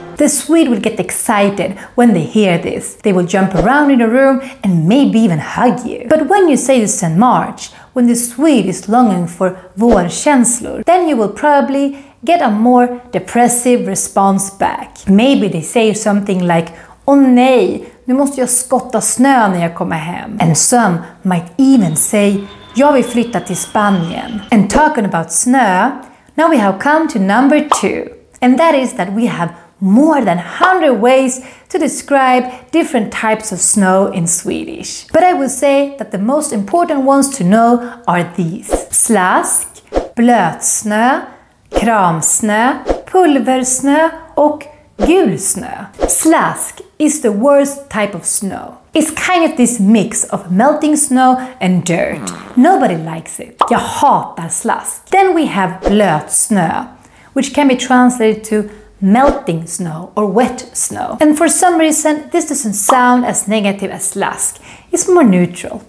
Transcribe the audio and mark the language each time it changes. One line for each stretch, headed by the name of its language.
English: The Swede will get excited when they hear this. They will jump around in a room and maybe even hug you. But when you say this in March, when the Swede is longing for vårkänslor, then you will probably get a more depressive response back. Maybe they say something like,
Swedish: "Åh nej, nu måste jag skotta snö när jag kommer hem."
English: And some might even say,
Swedish: "Jag vill flytta till Spanien."
English: And talking about snö, now we have come to number 2. And that is that we have more than 100 ways to describe different types of snow in Swedish. But I would say that the most important ones to know are these.
Swedish: Slask, blötsnö, kramsnö, pulversnö och gulsnö.
English: Slask is the worst type of snow. It's kind of this mix of melting snow and dirt. Nobody likes it.
Swedish: Jag hatar slask.
English: Then we have blötsnö, which can be translated to melting snow or wet snow. And for some reason, this doesn't sound as negative as slask. It's more neutral.